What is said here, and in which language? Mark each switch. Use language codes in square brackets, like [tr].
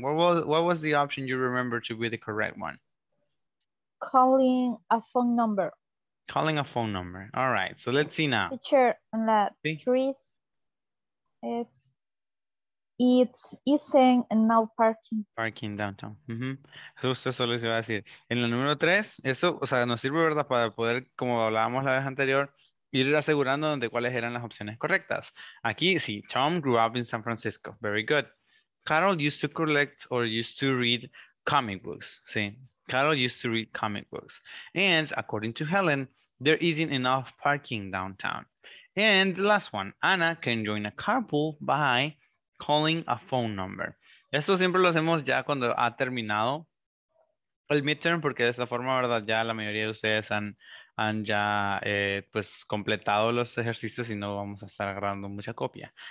[en] What was the option you remember to be the correct one? Calling a phone number. Calling a phone number. All right. So let's see now. Teacher, on that trees is it isn't enough parking. Parking downtown. [es] Mm-hmm. Justo eso les iba a decir. En el número tres, eso, o sea, nos sirve, ¿verdad? Para poder, como hablábamos la vez anterior, ir asegurando de cuáles eran las opciones correctas. [en] Aquí, sí, Tom grew up in San Francisco. Very good. Carol used to collect or used to read comic books. Sí, Carol used to read comic books. And according to Helen, there isn't enough parking downtown. And the last one, Anna can join a carpool by calling a phone number. [es] Esto siempre lo hacemos ya cuando ha terminado el midterm, porque de esa forma, ¿verdad? Ya la mayoría de ustedes han ya pues completado los ejercicios y no vamos a estar agarrando mucha copia.